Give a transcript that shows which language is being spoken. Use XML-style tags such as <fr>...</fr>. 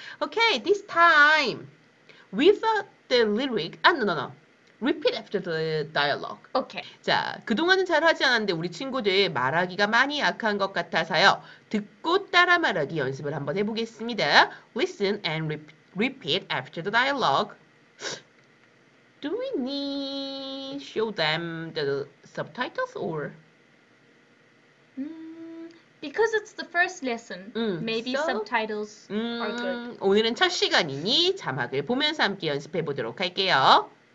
<en>Okay, this time. Without the lyric. No. Repeat after the dialogue. Okay.</en> <ko>자, 그동안은 잘 하지 않았는데 우리 친구들 말하기가 많이 약한 것 같아서요. 듣고 따라 말하기 연습을 한번 해보겠습니다.</ko> <en>Listen and repeat after the dialogue. Do we need show them the subtitles or... Because it's the first lesson, maybe so, subtitles are good.</en> <ko>오늘은 첫 시간이니 자막을 보면서 함께 연습해 보도록 할게요.</ko>